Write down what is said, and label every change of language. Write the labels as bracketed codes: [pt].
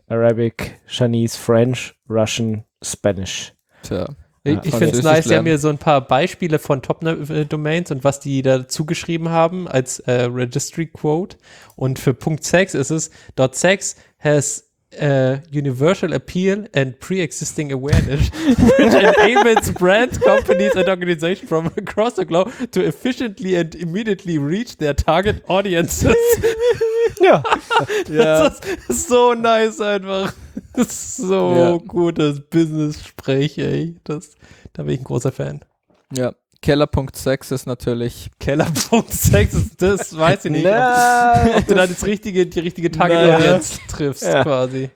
[en] Arabic, Chinese, French, Russian, Spanish. [de] Tja. Ich finde es nice, sie haben hier so ein paar Beispiele von Top-Domains und was die da zugeschrieben haben als Registry-Quote. Und für .sex ist es [en] .sex has universal appeal and pre-existing awareness which enables brand companies and organizations from across the globe to efficiently and immediately reach their target audiences. [de] Ja. Das ist so nice einfach. Das ist so gutes Business-Sprech, ey. Da bin ich ein großer Fan. Ja, Keller.sex ist natürlich. Keller.sex ist das, weiß ich nicht. ob du da die richtige Target-Audienz triffst, quasi.